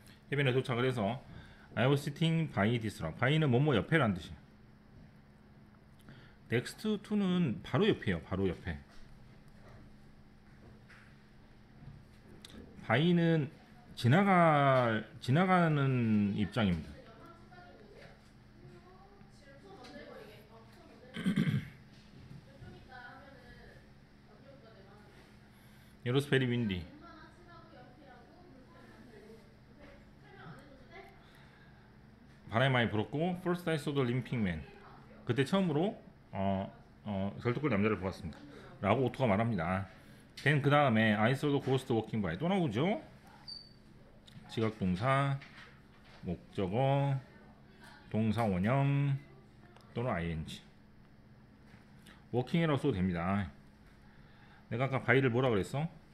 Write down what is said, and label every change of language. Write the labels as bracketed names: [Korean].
[Korean] 해변에 도착을 해서 [English] I was sitting by this rock. [Korean] by는 뭐뭐 옆에란 뜻이에요. Next to는 바로 옆이에요. 바로 옆에. by는 지나가는 입장입니다. [English] 이로스 베리 윈디. [Korean] 바람이 많이 불었고 [English] First I saw the limping man. [Korean] 그때 처음으로 절뚝거리 남자를 보았습니다. 라고 오토가 말합니다. [English] Then [Korean] 그 다음에 [English] I saw the ghost walking by. [Korean] 또 나오죠? 지각동사, 목적어, 동사원형, 또는 ing. 워킹이라고 써도 됩니다. 내가 아까 바이를 뭐라 그랬어?